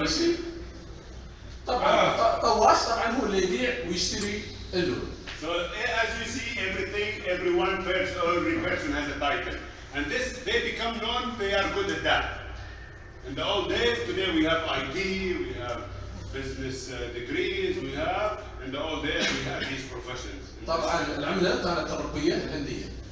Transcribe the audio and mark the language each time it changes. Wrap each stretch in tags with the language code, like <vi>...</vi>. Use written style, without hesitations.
<ar>ماشي؟ طبعا طواش طبعا هو اللي يبيع ويشتري له.</ar> <en>So as you see, every person has a title. And this, they become known, they are good at that. In the old days, today we have ID, we have business degrees, we have, in the old days we have these professions.</en> <ar>طبعا العملة كانت تربية عندي.</ar>